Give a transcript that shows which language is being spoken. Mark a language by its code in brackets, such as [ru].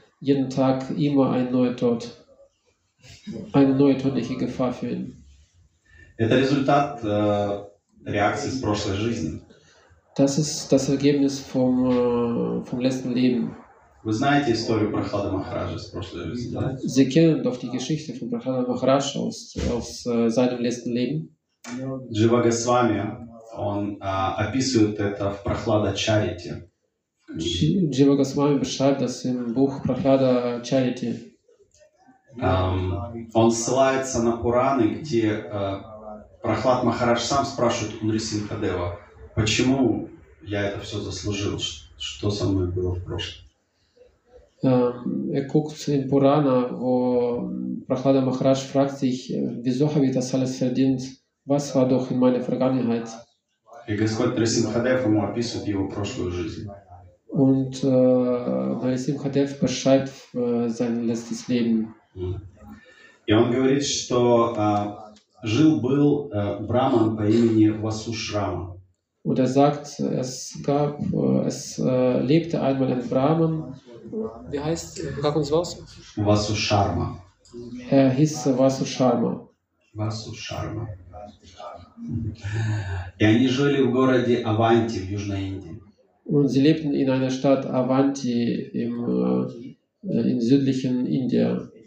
[de] Jeden Tag immer ein neuer Tod, eine neue tödliche Gefahr für ihn. [ru] Это результат реакции с прошлой жизни. [de] Das ist das Ergebnis vom letzten Leben. [ru] Вы знаете историю Прохлады Махараджа с прошлой жизни, да? [de] Sie kennen doch die Geschichte von Прохлада Махараджа aus seinem letzten Leben. [ru] Джива Госвами, он описывает это в Прохлада Чарити. [de] Джива Госвами beschreibt das im Buch Прохлада Чарити. [ru] Он ссылается на Пураны, где Прохлад Махарадж сам спрашивает у Нрисимхадева, почему я это все заслужил, что со мной было в прошлом. [de] Er guckt in Purana, wo Prahlada Maharaj fragt sich, wieso habe ich das alles verdient? Was war doch in meiner Vergangenheit? Und Нарисимхадев beschreibt sein letztes Leben. Und er sagt, dass er ein Brahman [ru] по имени [de] Васушрама. Und er sagt, es lebte einmal ein Brahman. Wie heißt, [ru] как он звался? Васу Шарма. [de] Er hieß Васу Шарма. [ru] Васу Шарма. И они жили в городе Аванти в Южной Индии. [de] Und sie lebten in einer Stadt Avanti in südlichen Индии.